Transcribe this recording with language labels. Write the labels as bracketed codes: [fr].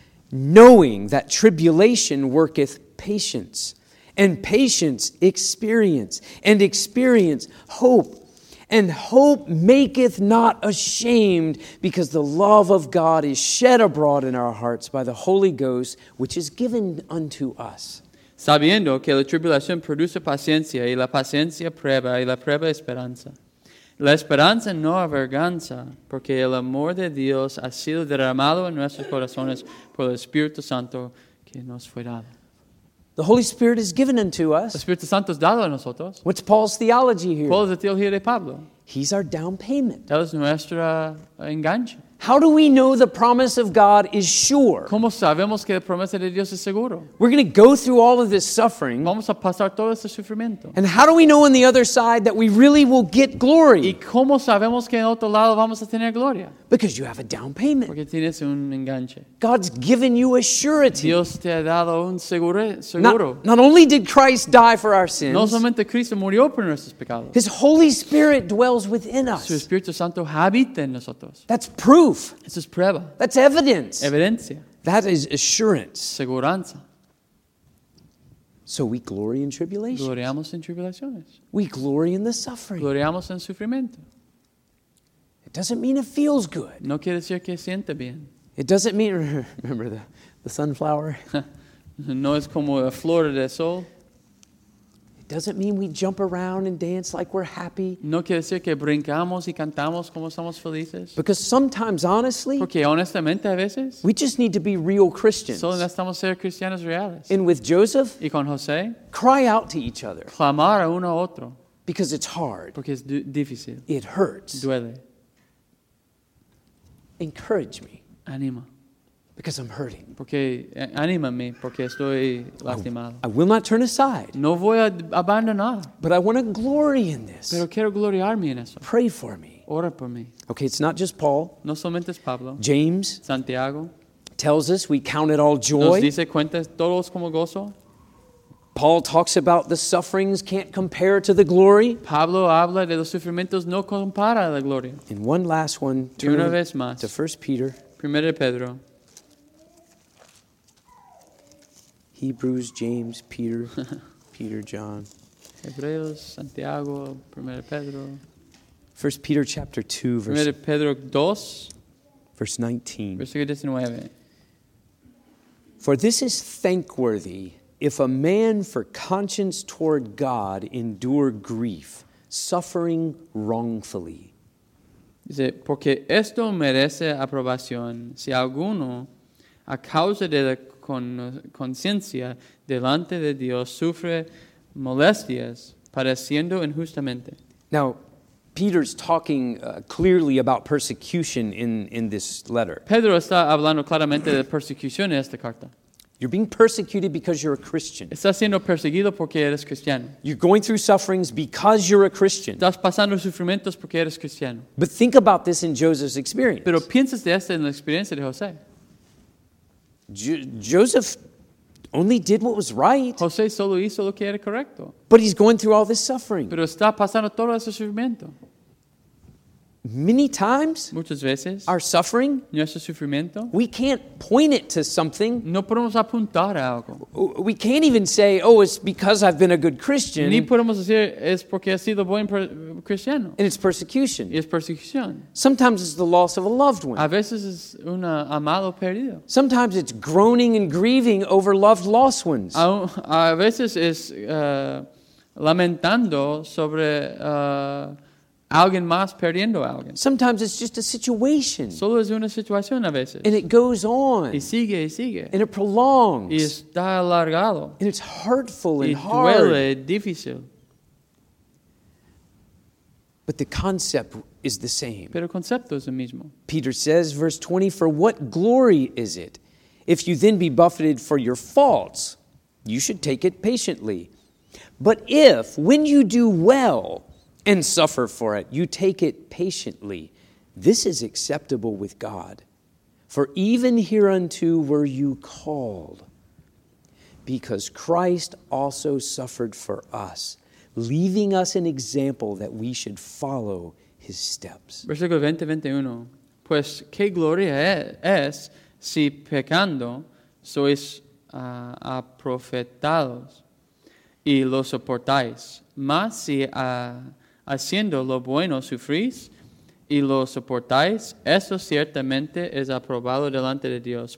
[en] Knowing that tribulation worketh patience. And patience, experience. And experience, hope. And hope maketh not ashamed, because the love of God is shed abroad in our hearts by the Holy Ghost, which is given unto us. [es] Sabiendo que la tribulación produce paciencia, y la paciencia prueba, y la prueba esperanza. La esperanza no avergüenza, porque el amor de Dios ha sido derramado en nuestros corazones por el Espíritu Santo que nos fue dado. [en] The Holy Spirit is given unto us. [es] El Espíritu Santo es dado a nosotros. [en] What's Paul's theology here? [es] ¿Cuál es la teología de Pablo? [en] He's our down payment. [es] Él es nuestro enganche. [en] How do we know the promise of God is sure? [es] ¿Cómo sabemos que la promesa de Dios es seguro? [en] We're going to go through all of this suffering. [es] Vamos a pasar todo este sufrimiento. [en] And how do we know on the other side that we really will get glory? [es] ¿Y cómo sabemos que en otro lado vamos a tener gloria? [en] Because you have a down payment. [es] Porque tienes un enganche. [en] God's given you a surety. [es] Dios te ha dado un seguro. [en] Not only did Christ die for our sins, [es] no solamente Cristo murió por nuestros pecados. [en] His Holy Spirit dwells within us. [es] Su Espíritu Santo habita en nosotros. [en] That's proof. This is [es] prueba. [en] That's evidence. [es] Evidencia. [en] That is assurance. [es] Seguranza. [en] So we glory in tribulations. [es] Gloriamos en tribulaciones. [en] We glory in the suffering. [es] Gloriamos en sufrimiento. [en] It doesn't mean it feels good. [es] No quiere decir que siente bien. [en] It doesn't mean, remember the sunflower? [es] No es como la flor de sol. [en] Doesn't mean we jump around and dance like we're happy. [es] No quiere decir que brincamos y cantamos como somos felices. [en] Because sometimes, honestly, [es] porque honestamente a veces, [en] we just need to be real Christians. [es] Solo necesitamos ser cristianos reales. [en] And with Joseph, [es] y con José, [en] cry out to each other. [es] Clamar a uno a otro. [en] Because it's hard. [es] Porque es difícil. [en] It hurts. [es] Duele. [en] Encourage me. [es] Anima. [en] Because I'm hurting. [es] Porque anímame, porque estoy lastimado. [en] I will not turn aside. [es] No voy a abandonar. [en] But I want to glory in this. [es] Pero quiero gloriarme en eso. [en] Pray for me. [es] Ora por mí. [en] Okay, it's not just Paul. [es] No solamente es Pablo. [en] James. [es] Santiago. [en] Tells us we count it all joy. [es] Nos dice cuentas todos como gozo. [en] Paul talks about the sufferings can't compare to the glory. [es] Pablo habla de los sufrimientos no compara a la gloria. [en] And one last one. [es] Y una vez más. [en] To 1 Peter. [es] Primero Pedro. [en] Hebrews, James, Peter, Peter, John. [es] Hebreos, Santiago, Primera Pedro. [en] 1 Peter chapter 2, verse [es] 19. Primera Pedro 2, [en] verse 19. [es] Versículo 19. [en] For this is thankworthy, if a man for conscience toward God endure grief, suffering wrongfully. [es] Dice, porque esto merece aprobación, si alguno, a causa de la conciencia delante de Dios sufre molestias padeciendo injustamente. [en] Now, Peter's talking clearly about persecution in this letter. [es] Pedro está hablando claramente de persecución en esta carta. [en] You're being persecuted because you're a Christian. [es] Estás siendo perseguido porque eres cristiano. [en] You're going through sufferings because you're a Christian. [es] Estás pasando sufrimientos porque eres cristiano. [en] But think about this in Joseph's experience. [es] Pero piensas de esto en la experiencia de José. [en] Joseph only did what was right. [es] José solo hizo lo que era correcto. [en] But he's going through all this suffering. [es] Pero está pasando todo ese sufrimiento. [en] many times, [es] muchas veces, [en] our suffering, [es] nuestro sufrimiento, [en] we can't point it to something. [es] No podemos apuntar a algo. [en] We can't even say, oh, it's because I've been a good Christian. [es] Ni podemos decir, es porque he sido buen cristiano. [en] And it's persecution. [es] Y es persecución. [en] Sometimes it's the loss of a loved one. [es] A veces es una amado perdido. [en] Sometimes it's groaning and grieving over loved lost ones. [es] A veces es lamentando sobre alguien más perdiendo a alguien. [en] Sometimes it's just a situation. [es] Solo es una situación a veces. [en] And it goes on. [es] Y sigue, y sigue. [en] And it prolongs. [es] Y está alargado. [en] And it's hurtful [es] y [en] and [es] duele, [en] hard. [es] Y duele, difícil. [en] But the concept is the same. [es] Pero el concepto es el mismo. [en] Peter says, verse 20, for what glory is it if you then be buffeted for your faults? You should take it patiently. But if, when you do well and suffer for it, you take it patiently, this is acceptable with God. For even hereunto were you called, because Christ also suffered for us, leaving us an example that we should follow his steps. [es] Versículo 20-21. Pues, ¿qué gloria es si pecando sois aprofetados y lo soportáis? Mas si haciendo lo bueno sufrís y lo soportáis, eso ciertamente es aprobado delante de Dios.